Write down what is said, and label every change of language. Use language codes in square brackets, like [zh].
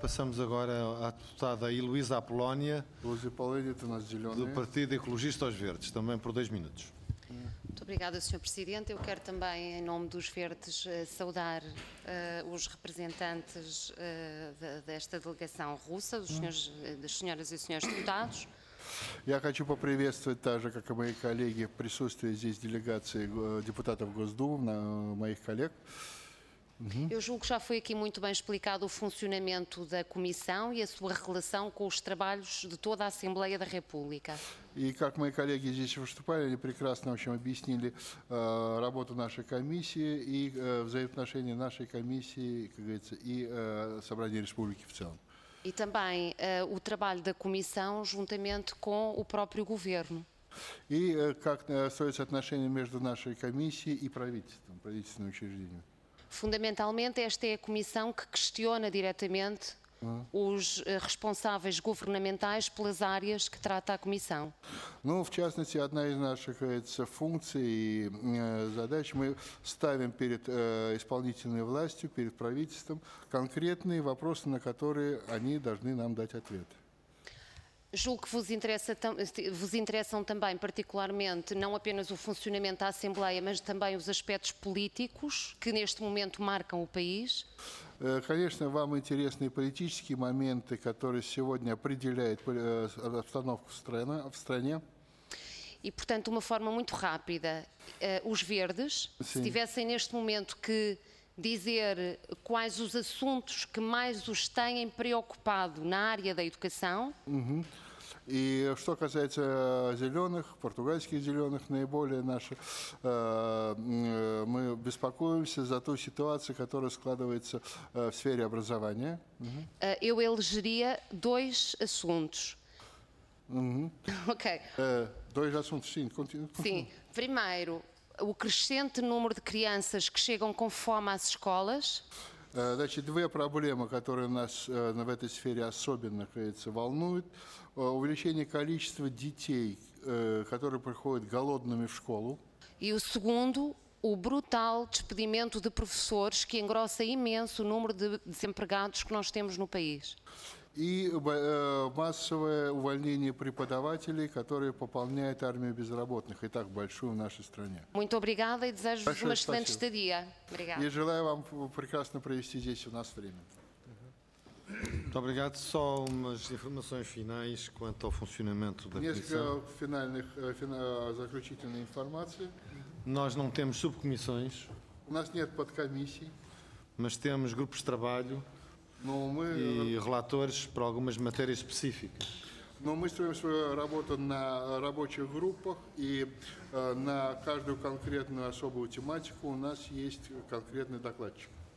[pt] Passamos agora à deputada Heloísa Apolónia, do Partido Ecologista aos Verdes, também por 2 minutos. Muito obrigada, Sr. Presidente. Eu quero também, em nome dos Verdes, saudar os representantes desta delegação russa, das senhoras e senhores deputados. [ru] Я хочу поприветствовать, так же, как и мои коллеги, присутствие здесь делегации депутатов Госдумы, моих коллег. [pt] Eu julgo que já foi aqui muito bem explicado o funcionamento da Comissão e a sua relação com os trabalhos de toda a Assembleia da República. E como meus colegas aqui [ru] выступали, [pt] eles [ru] прекрасно объяснили работу нашей комиссии и взаимоотношения нашей комиссии, как говорится, и собрания Республики в целом. [pt] E também o trabalho da Comissão juntamente com o próprio Governo. E como [ru] строится отношение между нашей комиссией и правительством, правительственным учреждением. [pt] Fundamentalmente, esta é a comissão que questiona diretamente os responsáveis governamentais pelas áreas que trata a comissão. [ru] No, в частности, одна из наших функций и задач мы ставим перед исполнительной властью, перед правительством конкретные вопросы, на которые они должны нам дать ответ. [pt] Julgo que vos interessam também particularmente não apenas o funcionamento da Assembleia, mas também os aspectos políticos que neste momento marcam o país. [ru] Конечно, вам интересны политические моменты, которые сегодня определяют обстановку в стране. [pt] E, portanto, uma forma muito rápida. Os Verdes, se tivessem neste momento que dizer quais os assuntos que mais os têm preocupado na área da educação. [ru] И что касается зеленых, португальских зеленых, наиболее наши, мы беспокоимся за ту ситуацию, которая складывается в сфере образования. [pt] Eu elegeria dois assuntos. [en] Okay. [pt] Dois assuntos, sim. Sim. Primeiro, o crescente número de crianças que chegam com fome às escolas. [ru] Значит, две проблемы, которые нас в этой сфере особенно, кажется, волнуют. Увеличение количества детей, которые приходят голодными в школу. [pt] И o segundo, o brutal despedimento de professores, que engrossa imenso o número de desempregados que nós temos no país. [ru] И массовое увольнение преподавателей, которые пополняют армию безработных, и так большую в нашей стране. [pt] Muito obrigada e desejo-vos uma excelente estadia. Obrigada. [ru] И желаю вам прекрасно провести здесь у нас время. [pt] Muito obrigado. Só umas informações finais quanto ao funcionamento da comissão. Nós não temos subcomissões. Nós não temos podcomissões. Mas temos grupos de trabalho e relatores para algumas matérias específicas. [ru] Но мы строим свою работу на рабочих группах, и на каждую конкретную особую тематику у нас есть конкретный докладчик.